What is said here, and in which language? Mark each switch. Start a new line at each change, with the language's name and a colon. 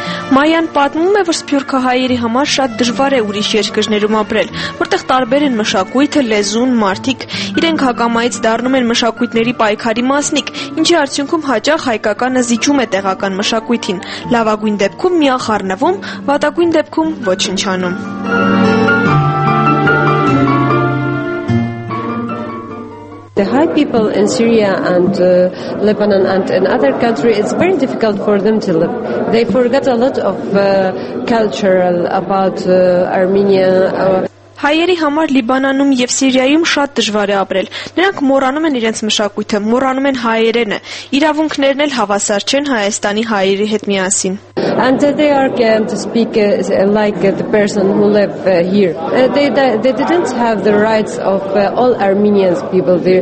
Armenian: Մայան պատմում է, որ սփյուռքահայերի համար շատ դժվար է ուրիշ երկրներում ապրել, որտեղ տարբեր են մշակույթը, լեզուն, մարդիկ, իրենք հակամայից դառնում են մշակույթների պայքարի մասնիկ, ինչի արդյունքում հաճախ հայկականը զիջում է տեղական մշակույթին, լավագույն դեպքում միան խառնվում, վատագույն դեպքում ոչնչանում։
English: The high people in Syria and Lebanon and in other countries, it's very difficult for them to live. They forget a lot of cultural about Armenia.
Armenian: Հայերի համար Լիբանանում եւ Սիրիայում շատ դժվար է ապրել։ Նրանք մոռանում են իրենց մշակույթը, մոռանում են հայերենը։ Իրավունքներն էլ հավասար չեն Հայաստանի հայերի հետ միասին։
English: And they are going to speak like the person who live here. They didn't have the rights of all Armenians people there.